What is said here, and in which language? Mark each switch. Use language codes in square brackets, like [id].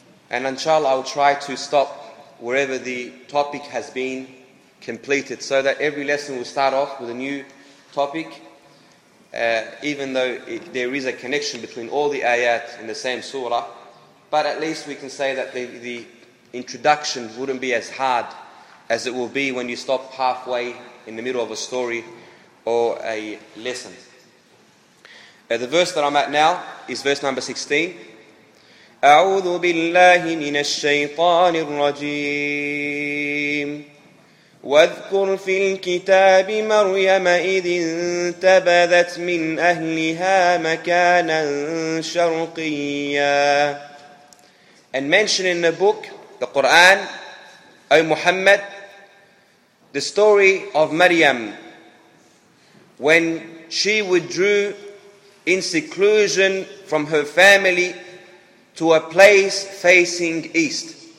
[en] And inshallah, I'll try to stop wherever the topic has been completed, so that every lesson will start off with a new topic, even though there is a connection between all the ayat in the same surah. But at least we can say that the introduction wouldn't be as hard as it will be when you stop halfway in the middle of a story or a lesson. The verse that I'm at now is verse number 16. [ar] أعوذ بالله من الشيطان الرجيم واذكر في الكتاب مريم إذ انتبذت من أهلها مكانا شرقيا. [en] And mention in the book, the Quran, O Muhammad, the story of Maryam, when she withdrew in seclusion from her family to a place facing east.